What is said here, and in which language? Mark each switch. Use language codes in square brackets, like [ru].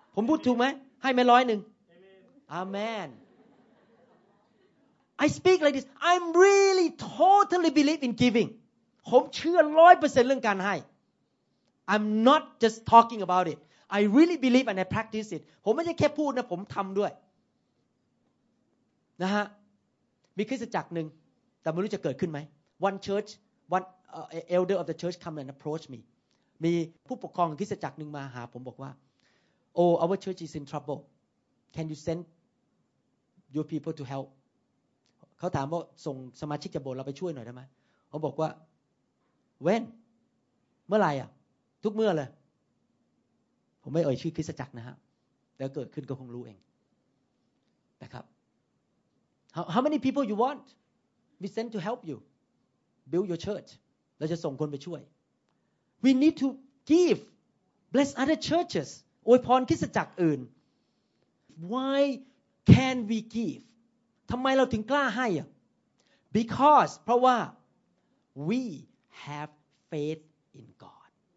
[th] ผมพูดถูกไหมให้ไหมร้อยหนึ่ง Amen. [en] I speak like this. I'm really totally believe in giving. [th] ผมเชื่อ 100% เรื่องการให้ [en] I'm not just talking about it. I really believe and I practice it. [th] ผมไม่ใช่แค่พูดนะผมทำด้วยนะฮะมีคริสตจักรหนึ่งแต่ไม่รู้จะเกิดขึ้นไหม [en] One church, one elder of the church come and approach me. [th] มีผู้ปกครองคริสตจักรหนึ่งมาหาผมบอกว่า [en] Oh, our church is in trouble. Can you send your people to help? [th] เขาถามว่าส่งสมาชิกจะโบสถ์เราไปช่วยหน่อยได้ไหมผมบอกว่า [en] When? [th] เมื่อไหร่อ่ะทุกเมื่อเลยผมไม่เอ่ยชื่อคริสตจักรนะฮะเดี๋ยวเกิดขึ้นก็คงรู้เองนะครับ [en] How many people you want We sent to help you build your church. [th] เราจะส่งคนไปช่วย [en] We need to give bless other churches. [th] อวยพรคริสตจักรอื่น [en] Why can we give? [th] ทำไมเราถึงกล้าให้ Because เพราะว่า [en] we have faith in God.